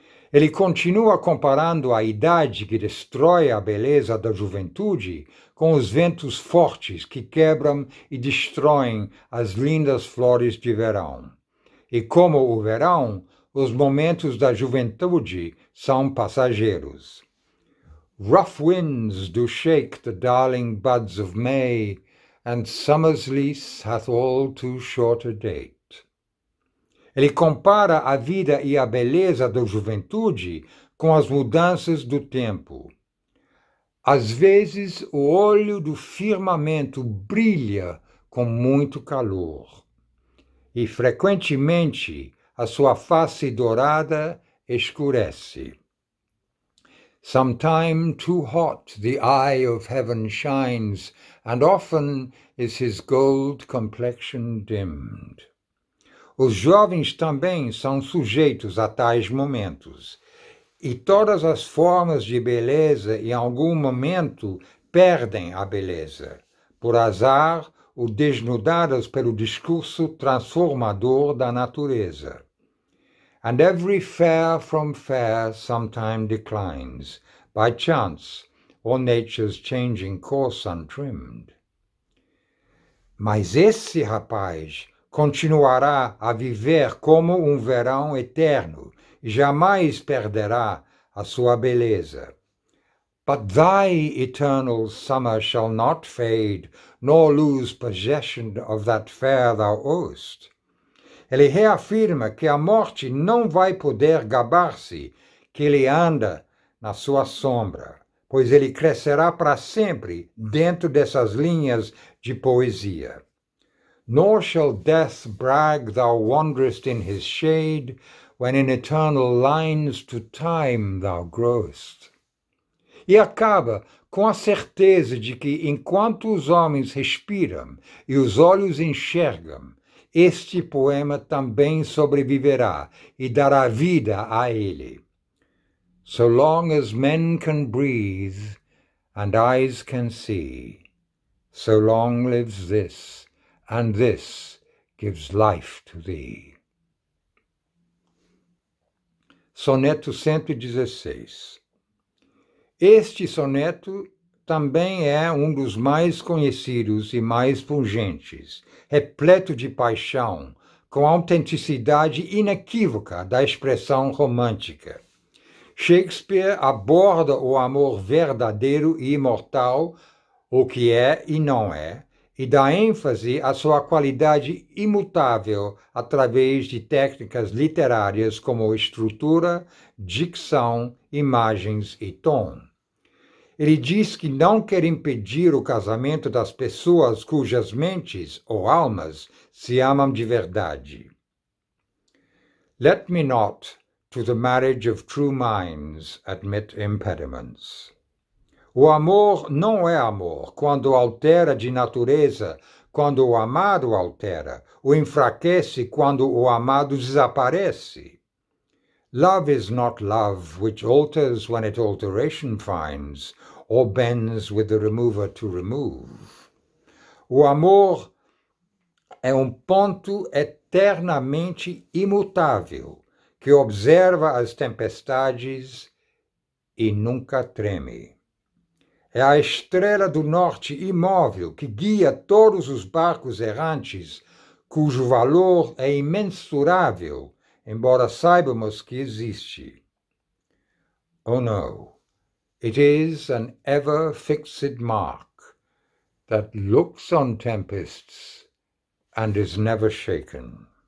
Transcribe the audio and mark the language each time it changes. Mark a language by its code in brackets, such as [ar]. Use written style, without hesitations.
[pt] Ele continua comparando a idade que destrói a beleza da juventude com os ventos fortes que quebram e destroem as lindas flores de verão. E como o verão, os momentos da juventude são passageiros. [en] Rough winds do shake the darling buds of May, and summer's lease hath all too short a date. [pt] Ele compara a vida e a beleza da juventude com as mudanças do tempo. Às vezes, o olho do firmamento brilha com muito calor, e frequentemente a sua face dourada escurece. [en] Sometime too hot the eye of heaven shines, and often is his gold complexion dimmed. [pt] Os jovens também são sujeitos a tais momentos, e todas as formas de beleza em algum momento perdem a beleza, por azar ou desnudadas pelo discurso transformador da natureza. [en] And every fair from fair sometime declines, by chance, or nature's changing course untrimmed. [pt] Mas esse rapaz continuará a viver como um verão eterno, e jamais perderá a sua beleza. [en] But thy eternal summer shall not fade, nor lose possession of that fair thou owest. [pt] Ele reafirma que a morte não vai poder gabar-se que ele anda na sua sombra, pois ele crescerá para sempre dentro dessas linhas de poesia. [en] Nor shall death brag thou wanderest in his shade, when in eternal lines to time thou growest. [pt] E acaba com a certeza de que enquanto os homens respiram e os olhos enxergam, este poema também sobreviverá e dará vida a ele. [en] So long as men can breathe and eyes can see, so long lives this, and this gives life to thee. [pt] Soneto 116. Este soneto também é um dos mais conhecidos e mais pungentes, repleto de paixão, com a autenticidade inequívoca da expressão romântica. Shakespeare aborda o amor verdadeiro e imortal, o que é e não é, e dá ênfase à sua qualidade imutável através de técnicas literárias como estrutura, dicção, imagens e tom. Ele diz que não quer impedir o casamento das pessoas cujas mentes ou almas se amam de verdade. [en] Let me not to the marriage of true minds admit impediments. [pt] O amor não é amor quando altera de natureza, quando o amado altera, o enfraquece quando o amado desaparece. [en] Love is not love which alters when it alteration finds, or bends with the remover to remove. [pt] O amor é um ponto eternamente imutável que observa as tempestades e nunca treme. É a estrela do norte imóvel que guia todos os barcos errantes, cujo valor é imensurável, embora saibamos que existe. [en] Oh, no, it is an ever-fixed mark that looks on tempests and is never shaken.